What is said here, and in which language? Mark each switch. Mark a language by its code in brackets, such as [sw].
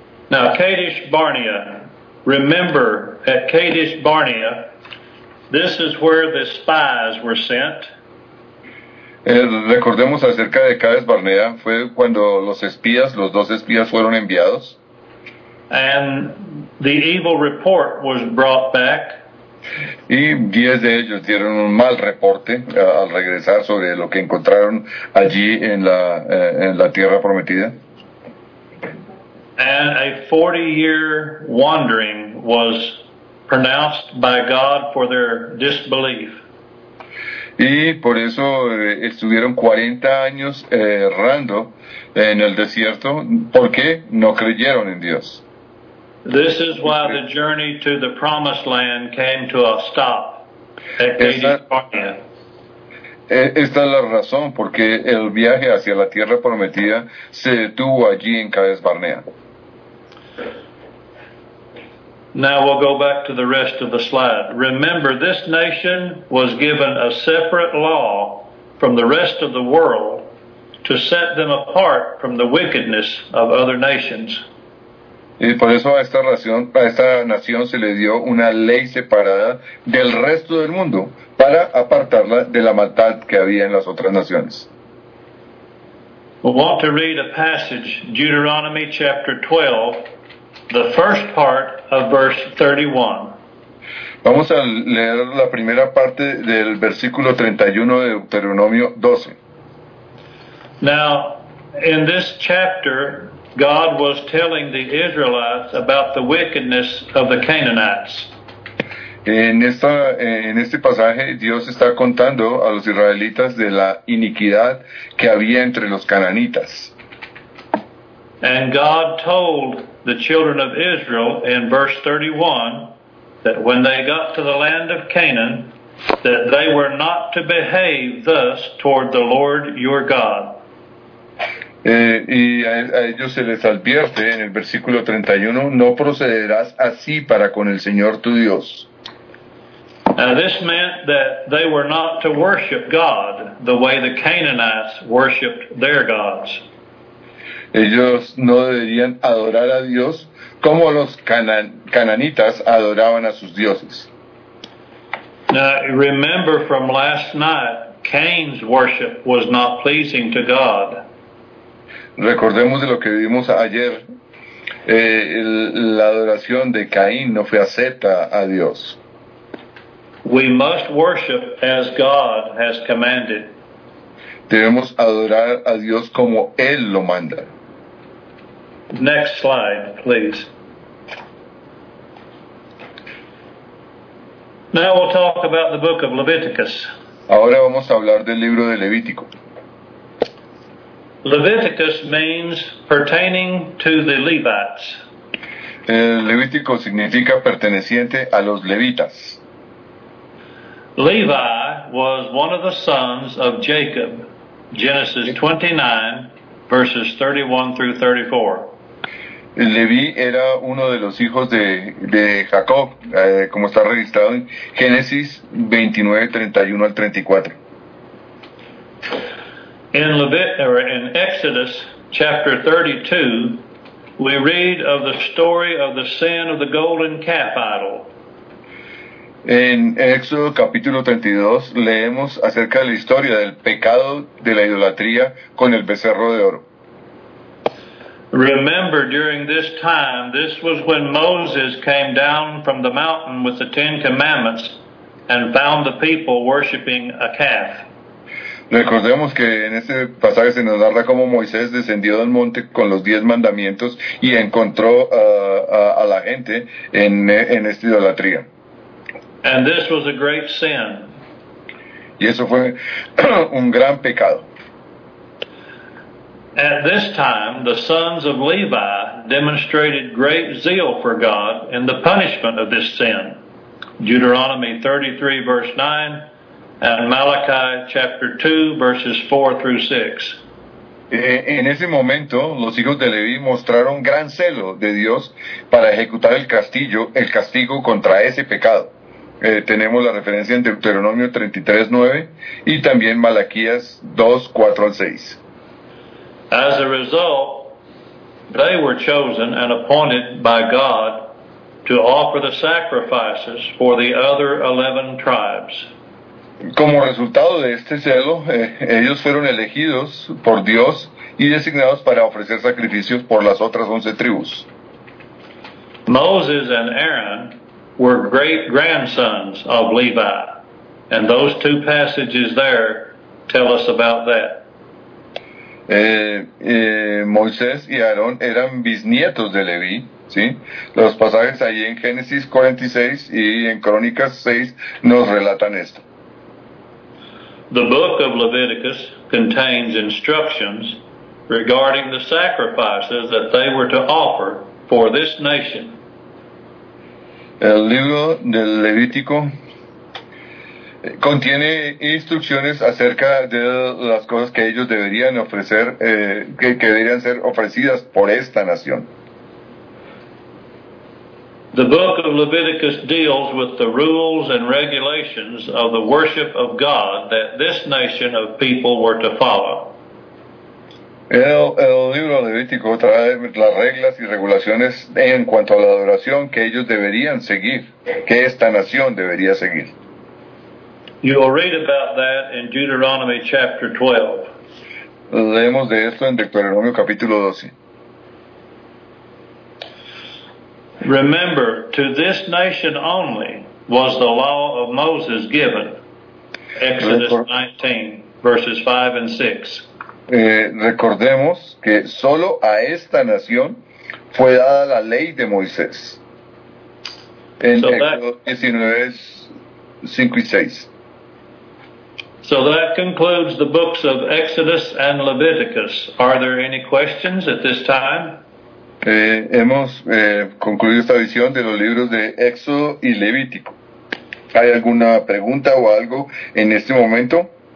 [en] Now, Kadesh Barnea. Remember, at Kadesh Barnea, this is where the spies were sent. [es] Recordemos acerca de Kadesh Barnea, fue cuando los espías, los dos espías, fueron enviados. [en] And the evil report was brought back. [es] Y 10 de ellos dieron un mal reporte al regresar sobre lo que encontraron allí en la tierra prometida. [en] And a 40-year wandering was pronounced by God for their disbelief. [es] Y por eso estuvieron 40 años errando en el desierto porque no creyeron en Dios. [en] This is why the journey to the promised land came to a stop at Kadesh Barnea. [es] Esta es la razón porque el viaje hacia la tierra prometida se detuvo allí en Kadesh Barnea. [en] Now we'll go back to the rest of the slide. Remember, this nation was given a separate law from the rest of the world to set them apart from the wickedness of other nations. [es] Y por eso a esta nación se le dio una ley separada del resto del mundo para apartarla de la maldad que había en las otras naciones. [en] We want to read a passage, Deuteronomy chapter 12, the first part of verse 31. [es] Vamos a leer la primera parte del versículo 31 de Deuteronomio 12. [en] Now, in this chapter, God was telling the Israelites about the wickedness of the Canaanites. [es] En este pasaje, Dios está contando a los israelitas de la iniquidad que había entre los cananitas. [en] And God told the children of Israel in verse 31 that when they got to the land of Canaan, that they were not to behave thus toward the Lord your God. [es] Y a ellos se les advierte en el versículo 31, no procederás así para con el Señor tu Dios. [en] Now this meant that they were not to worship God the way the Canaanites worshipped their gods. [es] Ellos no deberían adorar a Dios como los cananitas adoraban a sus dioses. [en] Now remember from last night, Cain's worship was not pleasing to God. [es] Recordemos de lo que vimos ayer, la adoración de Caín no fue acepta a Dios. [en] We must worship as God has commanded. [es] Debemos adorar a Dios como Él lo manda. [en] Next slide, please. Now we'll talk about the book of Leviticus. [es] Ahora vamos a hablar del libro de Levítico. [en] Leviticus means pertaining to the Levites. [es] El Levítico significa perteneciente a los Levitas. [en] Levi was one of the sons of Jacob, Genesis 29, verses 31-34. [es] Leví era uno de los hijos de Jacob, como está registrado en Génesis 29:31-34. [en] In Exodus chapter 32, we read of the story of the sin of the golden calf idol. [es] En Éxodo capítulo 32 leemos acerca de la historia del pecado de la idolatría con el becerro de oro. [en] Remember, during this time, this was when Moses came down from the mountain with the Ten Commandments and found the people worshiping a calf. [es] Recordemos que en este pasaje se nos narra cómo Moisés descendió del monte con los 10 mandamientos y encontró a la gente en esta idolatría. [en] And this was a great sin. [es] Y eso fue un gran pecado. [en] At this time, the sons of Levi demonstrated great zeal for God in the punishment of this sin. Deuteronomy 33, verse 9. And Malachi chapter 2, verses 4-6. [es] En ese momento, los hijos de Leví mostraron gran celo de Dios para ejecutar el castigo contra ese pecado. Tenemos la referencia en Deuteronomio 33:9 y también Malaquías 2:4-6. [en] As a result, they were chosen and appointed by God to offer the sacrifices for the other 11 tribes. [es] Como resultado de este celo, ellos fueron elegidos por Dios y designados para ofrecer sacrificios por las otras 11 tribus. [en] Moses and Aaron were great grandsons of Levi, and those two passages there tell us about that. [es] Moisés y Aarón eran bisnietos de Leví, ¿sí? Los pasajes ahí en Génesis 46 y en Crónicas 6 nos relatan esto. [en] The book of Leviticus contains instructions regarding the sacrifices that they were to offer for this nation. [es] El libro del Levítico contiene instrucciones acerca de las cosas que ellos deberían ofrecer, que deberían ser ofrecidas por esta nación. [en] The book of Leviticus deals with the rules and regulations of the worship of God that this nation of people were to follow. [es] El libro Levítico trae las reglas y regulaciones en cuanto a la adoración que ellos deberían seguir, que esta nación debería seguir. [en] You will read about that in Deuteronomy chapter 12. [es] Leemos de esto en Deuteronomio capítulo 12. [en] Remember, to this nation only was the law of Moses given. Exodus 19, verses 5 and 6. [es] Recordemos que solo a esta nación fue dada la ley de Moisés. En Exodus 19:5-6. [en] So that concludes the books of Exodus and Leviticus. Are there any questions at this time? [es] Hemos concluido esta visión de los libros de Éxodo y Levítico. ¿Hay alguna pregunta o algo en este momento?